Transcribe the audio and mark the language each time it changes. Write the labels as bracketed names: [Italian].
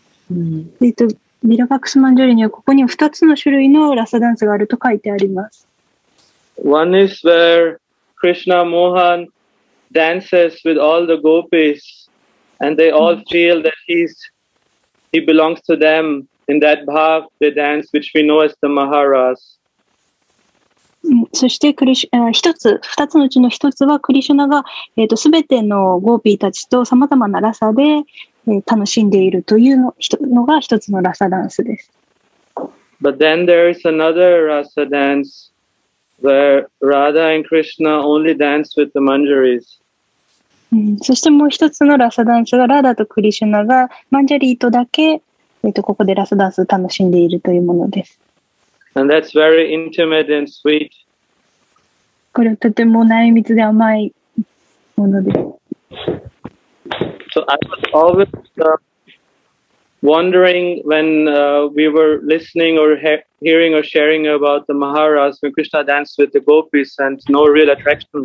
[Japanese] Vilapkusumanjali には、ここに二つの種類のラサダンスがあると書いてあります。 [English] One is where Krishna Mohan dances with all the gopis and they all feel that he belongs to them. In that bhav, they dance, which we know as the Maharas. [Japanese] そしてクリシュ、一つ、二つのうちの一つは、クリシュナが、すべてのゴーピーたちと様々なラサで、楽しんでいるというのが一つのラサダンスです。 [English] But then there is another Rasa dance where Radha and Krishna only dance with the Manjaris.、 [Japanese] うん、そしてもう一つのラサダンスは、ラダとクリシュナがマンジャリーとだけ、ここでラサダンスを楽しんでいるというものです。 [English] And that's very intimate and sweet. [Japanese] これはとても内密で甘いものです。 [English] So I was always、wondering when、we were listening or hearing or sharing about the Maharas when Krishna danced with the gopis and no real attraction